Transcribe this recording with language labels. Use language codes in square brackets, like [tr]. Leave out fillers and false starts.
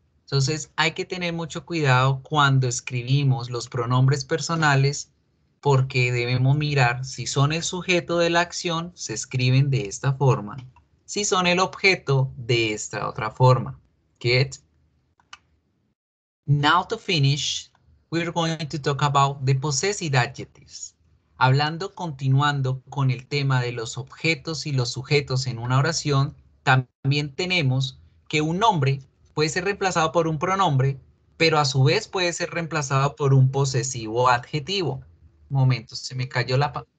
[es] Entonces, hay que tener mucho cuidado cuando escribimos los pronombres personales porque debemos mirar si son el sujeto de la acción, se escriben de esta forma. Si son el objeto, de esta otra forma. [en] Get? Now to finish, we're going to talk about the possessive adjectives. [es] Hablando, continuando con el tema de los objetos y los sujetos en una oración, también tenemos que un nombre puede ser reemplazado por un pronombre, pero a su vez puede ser reemplazado por un posesivo adjetivo. Momento, se me cayó la...